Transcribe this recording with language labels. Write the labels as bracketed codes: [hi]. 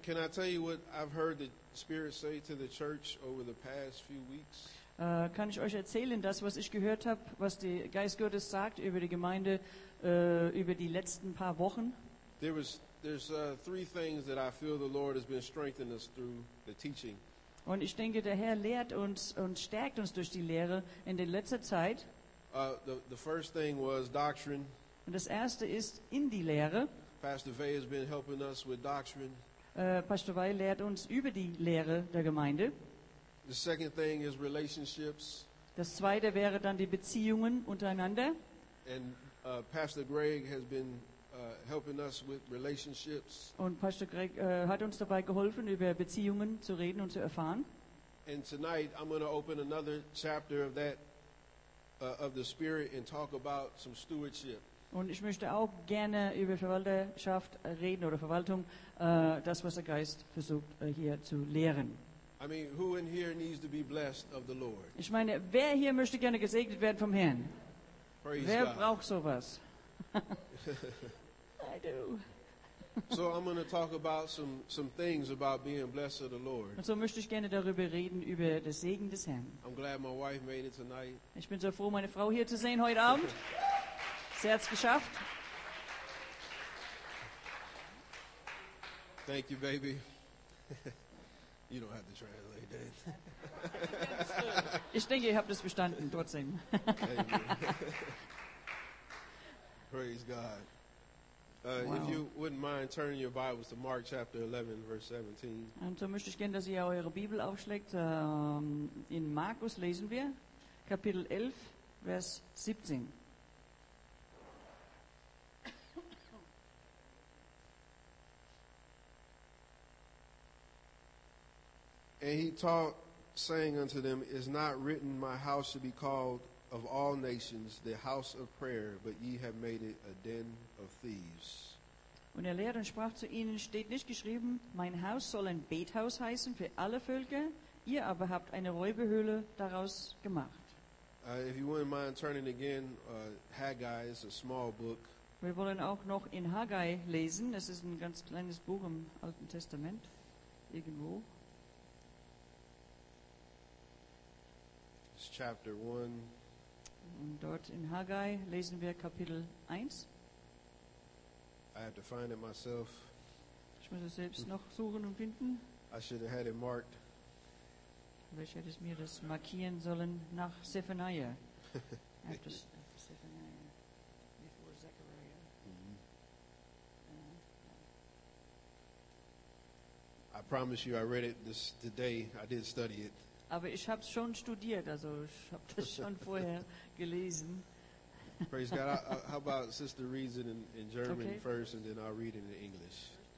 [en] Can I tell you what I've heard the Spirit say to the church over the past few weeks? [de] Kann ich euch erzählen, das, was ich gehört habe, was der Geist Gottes sagt über die Gemeinde über die letzten paar Wochen? [en] There's three things that I feel the Lord has been strengthening us through the teaching. [de] Und ich denke, der Herr lehrt uns und stärkt uns durch die Lehre in der letzten Zeit. [en] The first thing was doctrine. [de] Und das erste ist in die Lehre. [en] Pastor Vey has been helping us with doctrine. [de] Pastor Vey lehrt uns über die Lehre der Gemeinde. [en] The second thing is relationships. [de] Das zweite wäre dann die Beziehungen untereinander. [en] And Pastor Greg has been helping us with relationships. [de] Und Pastor Greg hat uns dabei geholfen, über Beziehungen zu reden und zu erfahren. [en] And tonight I'm going to open another chapter of that of the Spirit and talk about some stewardship. [de] Und ich möchte auch gerne über Verwalterschaft reden oder Verwaltung, das, was der Geist versucht hier zu lehren. [en] I mean, who in here needs to be blessed of the Lord? [de] Ich meine, wer hier möchte gerne gesegnet werden vom Herrn? [en] Praise [de] wer [en] God. [de] Braucht sowas? [en] I do. So I'm going to talk about some things about being blessed of the Lord. [de] Und so möchte ich gerne darüber reden, über den Segen des Herrn. [en] I'm glad my wife made it tonight. [de] Ich bin so froh, meine Frau hier zu sehen heute Abend. Sie hat es geschafft. [en] Thank you, baby. You don't have to translate that. [de] Ich denke, ihr habt es bestanden, trotzdem. [en] Praise God. Wow. If you wouldn't mind turning your Bibles to Mark chapter 11, verse 17. [de] Und so möchte ich gerne, dass ihr eure Bibel aufschlägt. In Markus lesen wir Kapitel 11, Vers 17. [en] And he taught, saying unto them, Is not written, My house shall be called of all nations the house of prayer, but ye have made it a den of thieves. [de] Und er lehrte und sprach zu ihnen, Steht nicht geschrieben, Mein Haus soll ein Bethaus heißen für alle Völker, ihr aber habt eine Räuberhöhle daraus gemacht. [en] If you wouldn't mind turning again, Haggai is a small book. [de] Wir wollen auch noch in Haggai lesen, es ist ein ganz kleines Buch im Alten Testament, irgendwo. [en] Chapter 1. [de] Und dort in Haggai lesen wir Kapitel 1. [en] I have to find it myself. [de] Ich muss es selbst noch suchen und finden. [en] I should have had it marked. [de] Vielleicht hätte ich mir das markieren sollen nach Zephaniah. [en] After Zephaniah. Before Zechariah. Mm-hmm. I promise you I read it this today. I did study it. [de] Aber ich habe es schon studiert, also ich habe das schon vorher gelesen. [en] Praise God. How about Sister reads it in German okay. First, and then I'll read it in English.